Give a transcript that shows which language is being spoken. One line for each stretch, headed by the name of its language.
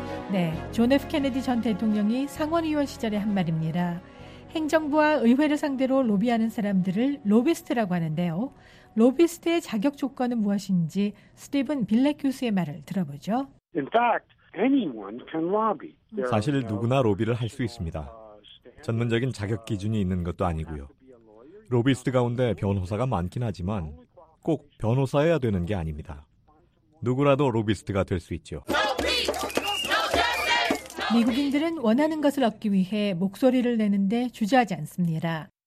Korean: 네, 존 F. 케네디 전 대통령이 상원의원 시절에 한 말입니다. 행정부와 의회를 상대로 로비하는 사람들을 로비스트라고 하는데요. 로비스트의 자격 조건은 무엇인지 스티븐 빌렉 교수의 말을 들어보죠.
English: In fact, anyone can lobby.
Korean: 사실 누구나 로비를 할 수 있습니다. 전문적인 자격 기준이 있는 것도 아니고요. 로비스트 가운데 변호사가 많긴 하지만 꼭 변호사여야 되는 게 아닙니다. 누구라도 로비스트가 될 수 있죠. 미국인들은 원하는 것을 얻기 위해 목소리를 내는데 주저하지 않습니다.